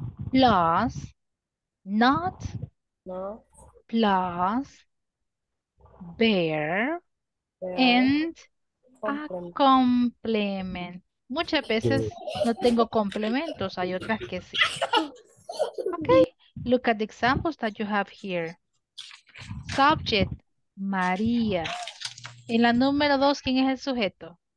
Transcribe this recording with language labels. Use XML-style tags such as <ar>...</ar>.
<en>Plus, not,</en> <es>no.</es> <en>Plus, bear, and complement.</en> <es>Muchas veces no tengo complementos, hay otras que sí.</es> <en>Okay, look at the examples that you have here. Subject, María.</en> <es>En la número dos, ¿quién es el sujeto?</es>